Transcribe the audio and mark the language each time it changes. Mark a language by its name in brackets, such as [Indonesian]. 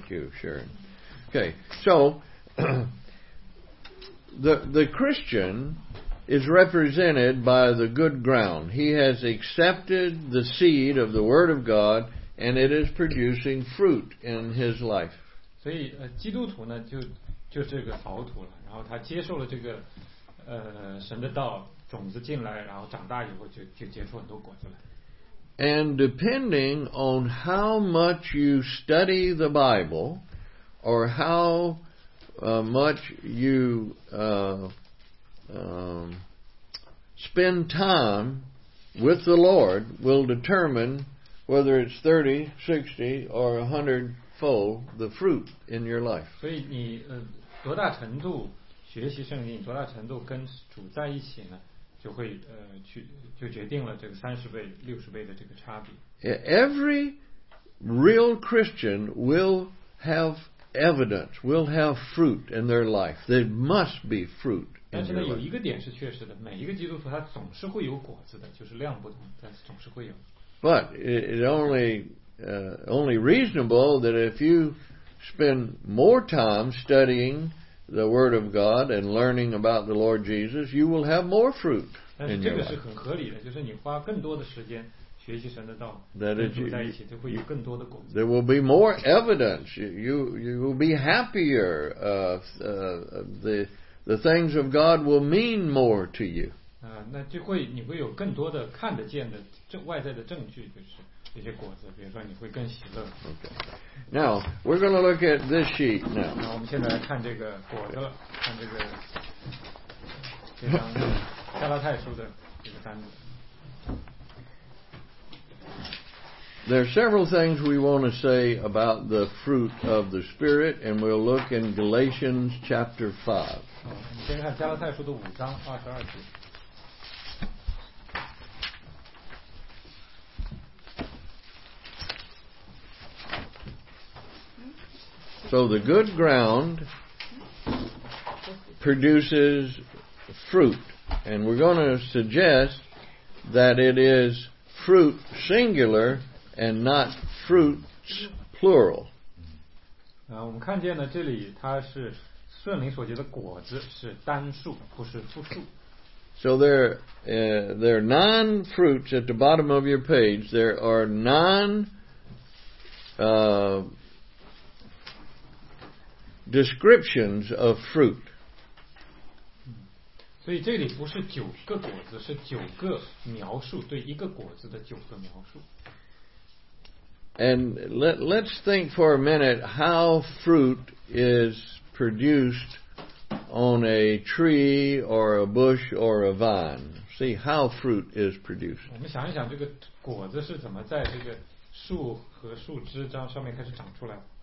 [English] Thank you, Sharon. Okay, so the Christian is represented by the good ground. He has accepted the seed of the word of God, and it is producing fruit in his life. [Chinese] 所以基督徒呢就这个草土了，然后他接受了这个神的道，种子进来，然后长大以后就结出很多果子来。 [English] And depending on how much you study the Bible or how much you spend time with the Lord will determine whether it's 30, 60, or 100 fold the fruit in your life. [Chinese] 所以你多大程度学习圣经，多大程度跟主在一起呢，就会就决定了这个三十倍、六十倍的这个差别。 [English] Every real Christian will have evidence, will have fruit in their life. There must be fruit. [Chinese] 但是呢，有一个点是确实的，每一个基督徒他总是会有果子的，就是量不同，但是总是会有。 [English] But it's only only reasonable that if you spend more time studying the Word of God and learning about the Lord Jesus, you will have more fruit in your life. [Chinese] 但是这个是很合理的，就是你花更多的时间学习神的道，跟在一起就会有更多的果子。 [English] There will be more evidence. You will be happier. The things of God will mean more to you. [Chinese] 那就会你会有更多的看得见的外在的证据，就是这些果子，比如说你会更喜乐。 [English] Okay. Now we're going to look at this sheet now. [Chinese] 那我们现在来看这个果子了，看这个这张加拉太书的这个单子。 [English] There are several things we want to say about the fruit of the Spirit, and we'll look in Galatians chapter 5. [Chinese] 我们先看加拉太书的5:22。 [English] So the good ground produces fruit, and we're going to suggest that it is fruit singular and not fruits plural. [Chinese] 我们看见呢，这里它是圣灵所结的果子是单数，不是复数。 [English] So there are nine fruits at the bottom of your page. There are nine descriptions of fruit. [Chinese] 所以这里不是九个果子，是九个描述，对一个果子的九个描述。 [English] And let's think for a minute how fruit is produced on a tree or a bush or a vine. See how fruit is produced. [Chinese] 我们想一想这个果子是怎么在这个树和树枝这样上面开始长出来。